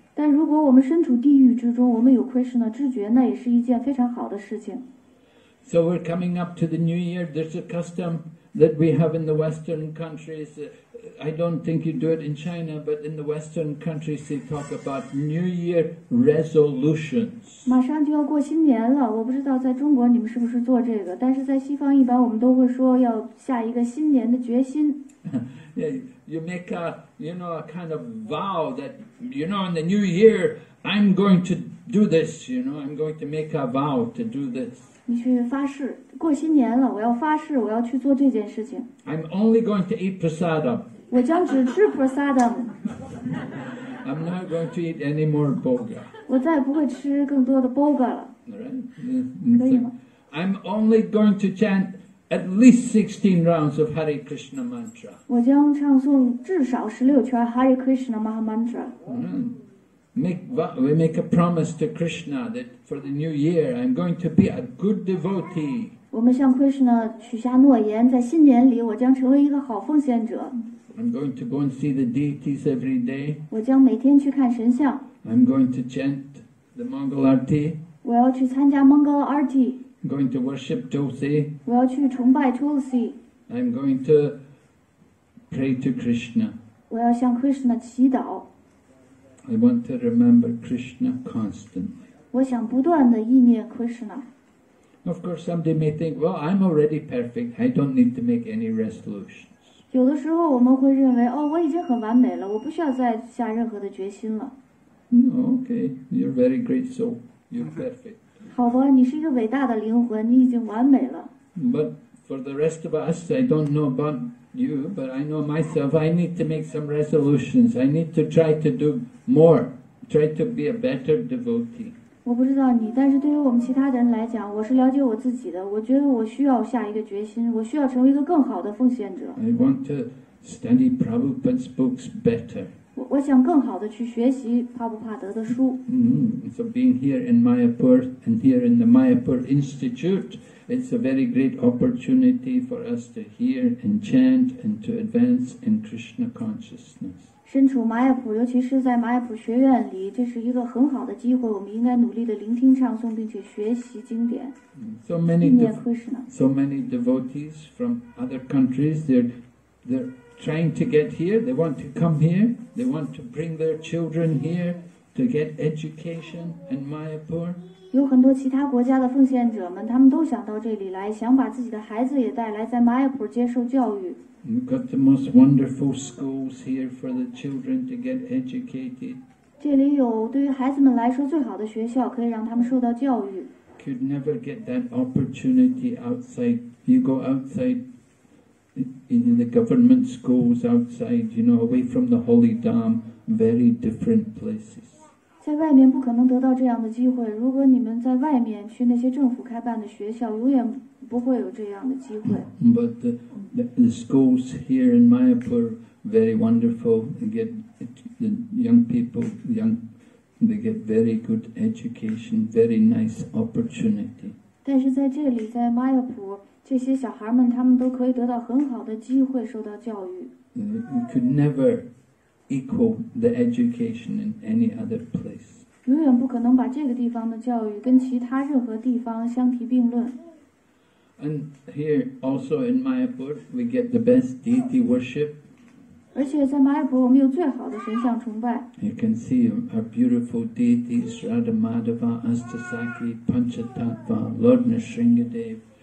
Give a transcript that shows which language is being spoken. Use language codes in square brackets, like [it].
[zh] 但如果我们身处地狱之中，我们有 Krishna 知觉，那也是一件非常好的事情。 [en] So we're coming up to the New Year. There's a custom that we have in the Western countries. I don't think you do it in China, but in the Western countries, they talk about New Year resolutions. [zh] 马上就要过新年了，我不知道在中国你们是不是做这个，但是在西方一般我们都会说要下一个新年的决心。 [en] Yeah, you make a, you know, a kind of vow that, you know, in the New Year, I'm going to do this, you know, I'm going to make a vow to do this. [zh] 你去发誓，过新年了，我要发誓，我要去做这件事情。 [en] I'm only going to eat prasadam. [zh] 我将只吃 prasadam. [en] I'm not going to eat any more boga. [zh] 我再也不会吃更多的 boga 了。 [en] Right? [zh] 可以吗 [en] ？I'm only going to chant at least 16 rounds of Hare Krishna mantra. [zh] 我将唱诵至少16圈 Hare Krishna Maha mantra. [en] We make a promise to Krishna that for the new year I'm going to be a good devotee. [zh] 我们向 Krishna 许下诺言，在新年里我将成为一个好奉献者。 [en] I'm going to go and see the deities every day. [zh] 我将每天去看神像。 [en] I'm going to chant the Mangalarti. [zh] 我要去参加 Mangalarti. [en] I'm going to worship Tulsi. [zh] 我要去崇拜 Tulsi. [en] I'm going to pray to Krishna. [zh] 我要向 Krishna 祈祷。 [en] I want to remember Krishna constantly. [zh] 我想不断地忆念 Krishna. [en] Of course, somebody may think, well, I'm already perfect. I don't need to make any resolutions. [zh] 有的时候我们会认为，哦，我已经很完美了，我不需要再下任何的决心了。 [en] Okay, you're very great soul. You're perfect. [zh] 好吧，你是一个伟大的灵魂，你已经完美了。 [en] But for the rest of us, I don't know about you, but I know myself. I need to make some resolutions. I need to try to do more. Try to be a better devotee. [zh] 我不知道你，但是对于我们其他的人来讲，我是了解我自己的。我觉得我需要下一个决心，我需要成为一个更好的奉献者。 [en] I want to study Prabhupada's books better. [zh] 我想更好的去学习帕布帕德的书。 [en] So being here in Mayapur and here in the Mayapur Institute, it's a very great opportunity for us to hear and chant and to advance in Krishna consciousness. [zh] 身处马耶普，尤其是在马耶普学院里，这是一个很好的机会。我们应该努力的聆听唱诵，并且学习经典。 [en] So many, so many devotees from other countries, they're trying to get here. They want to come here. They want to bring their children here to get education in Mayapur. [zh] 有很多其他国家的奉献者们，他们都想到这里来，想把自己的孩子也带来，在马耶普接受教育。 [en] We've got the most wonderful schools here for the children to get educated. [zh] 这里有对于孩子们来说最好的学校，可以让他们受到教育。 [en] Could never get that opportunity outside. You go outside in the government schools outside, you know, away from the holy dharma, very different places. [zh] 在外面不可能得到这样的机会。如果你们在外面去那些政府开办的学校，永远。不会有这样的机会。 [en] But the schools here in Mayapur are very wonderful. They get the young people, they get very good education, very nice opportunity. [zh] 但是在这里，在 Mayapur, 这些小孩们他们都可以得到很好的机会，受到教育。 [en] You could never equal the education in any other place. [zh] 永远不可能把这个地方的教育跟其他任何地方相提并论。 [en] And here, also in Mayapur, we get the best deity worship. [zh] 而且在 Mayapur, 我们有最好的神像崇拜。 [en] You can see our beautiful deities, Radha Madhava, Astasaki, Panchatattva, Lord Nrisingadev.